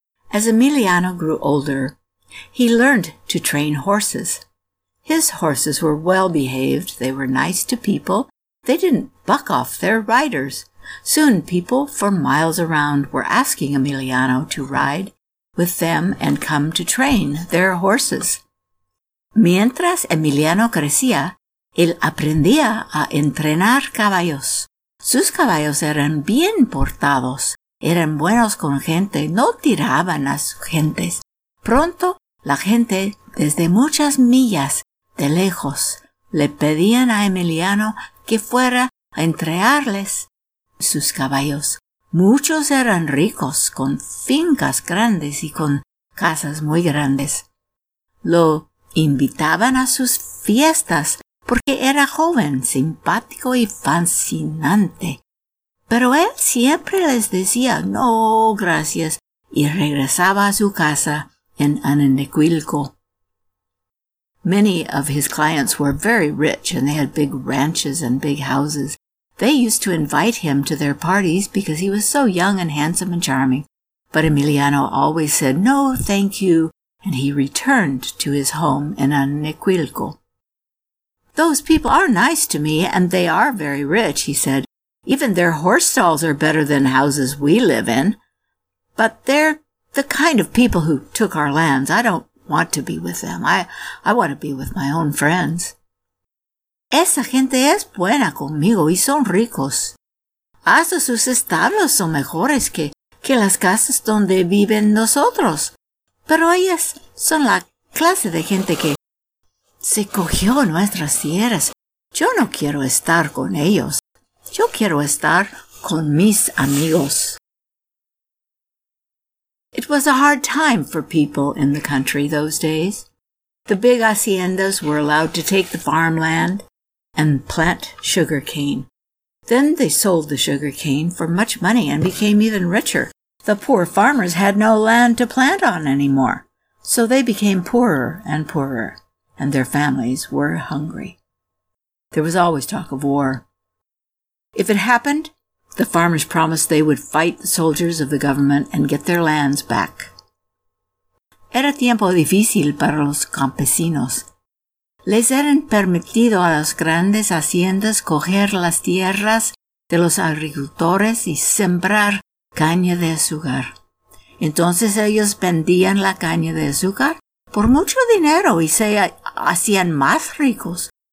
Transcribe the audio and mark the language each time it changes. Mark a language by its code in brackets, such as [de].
[en] As Emiliano grew older, he learned to train horses. His horses were well-behaved, they were nice to people, they didn't buck off their riders. Soon people for miles around were asking Emiliano to ride with them and come to train their horses. [es] Mientras Emiliano crecía, él aprendía a entrenar caballos. Sus caballos eran bien portados, eran buenos con gente, no tiraban a sus gentes. Pronto, la gente, desde muchas millas de lejos, le pedían a Emiliano que fuera a entregarles sus caballos. Muchos eran ricos, con fincas grandes y con casas muy grandes. Lo invitaban a sus fiestas porque era joven, simpático y fascinante. Pero él siempre les decía no, gracias, y regresaba a su casa en Ananequilco. [en] Many of his clients were very rich, and they had big ranches and big houses. They used to invite him to their parties because he was so young and handsome and charming. But Emiliano always said, no, thank you, and he returned to his home in Ananequilco. Those people are nice to me, and they are very rich, he said. Even their horse stalls are better than houses we live in. But they're the kind of people who took our lands. I don't want to be with them. I want to be with my own friends. [es] Esa gente es buena conmigo y son ricos. Hasta sus establos son mejores que las casas donde viven nosotros. Pero ellas son la clase de gente que se cogió nuestras tierras. Yo no quiero estar con ellos. Yo quiero estar con mis amigos. [en] It was a hard time for people in the country those days. The big haciendas were allowed to take the farmland and plant sugar cane. Then they sold the sugar cane for much money and became even richer. The poor farmers had no land to plant on anymore, so they became poorer and poorer, and their families were hungry. There was always talk of war. If it happened, the farmers promised they would fight the soldiers of the government and get their lands back. [es] Era tiempo difícil para los campesinos. Les eran permitido a las grandes haciendas coger las tierras de los agricultores y sembrar caña de azúcar. Entonces ellos vendían la caña de azúcar por mucho dinero y se hacían más ricos.